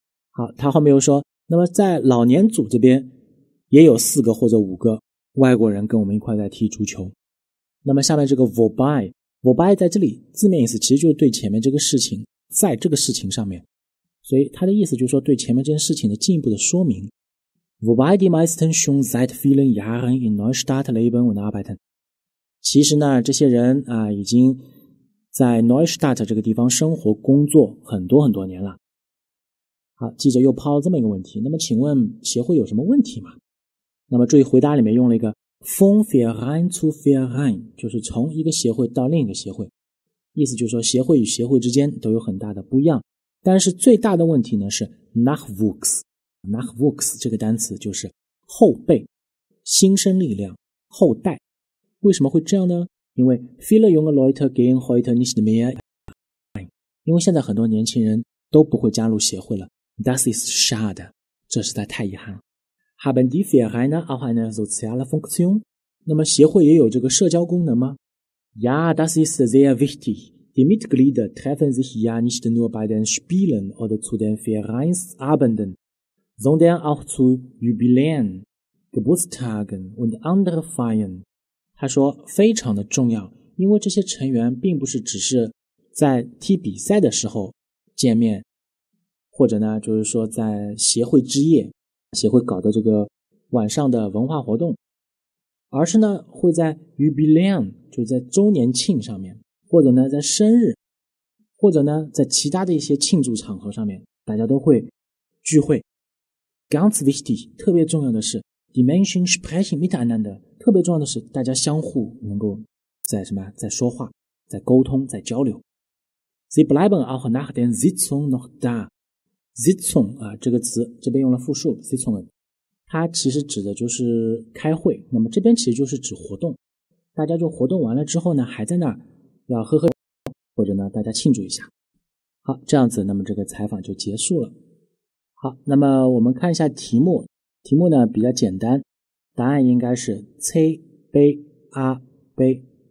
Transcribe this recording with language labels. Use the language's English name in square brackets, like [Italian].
[Chinese] 好，他后面又说，那么在老年组这边也有4个或者5个外国人跟我们一块在踢足球，那么下面这个 wobei 在这里字面意思其实就是对前面这个事情在这个事情上面，所以他的意思就是说对前面这件事情的进一步的说明。 [German] Wobei die meisten schon seit vielen Jahren in Neustadt leben und arbeiten， [Chinese] 其实呢这些人啊已经在 Neustadt 这个地方生活工作很多很多年了。好，记者又抛了这么一个问题，那么请问协会有什么问题吗？那么注意回答里面用了一个 [German] von Verein zu Verein， [Chinese] 就是从一个协会到另一个协会，意思就是说协会与协会之间都有很大的不一样。但是最大的问题呢是 Nachwuchs 这个单词就是后辈新生力量后代。为什么会这样呢？因为 [German] viele junge Leute gehen heute nicht mehr， [Chinese] 因为现在很多年轻人都不会加入协会了。 [German] Das ist schade， [Chinese] 这实在太遗憾。 [German] Haben die Vereine auch eine soziale Funktion？ [Chinese] 那么协会也有这个社交功能吗？ [German] Ja, das ist sehr wichtig. Die Mitglieder treffen sich ja nicht nur bei den Spielen oder zu den Vereinsabenden, sondern auch zu Jubiläen, Geburtstagen und andere Feiern. [Chinese] 他说非常的重要，因为这些成员并不是只是在踢比赛的时候见面，或者呢，就是说在协会之夜，协会搞的这个晚上的文化活动，而是呢会在 Jubiläen，就在周年庆上面，或者呢在生日，或者呢在其他的一些庆祝场合上面，大家都会聚会。 [German] Ganz wichtig， [Chinese] 特别重要的是 [German] die Menschen sprechen miteinander， [Chinese] 特别重要的是大家相互能够在什么在说话，在沟通，在交流。 [German] Sie bleiben auch nach den Sitzungen noch da。 [Chinese] Sitzung 啊，这个词这边用了复数 Sitzungen， 它其实指的就是开会，那么这边其实就是指活动，大家就活动完了之后呢还在那儿要喝喝或者呢大家庆祝一下。好，这样子那么这个采访就结束了。好，那么我们看一下题目，题目呢比较简单，答案应该是 C-B-A-B。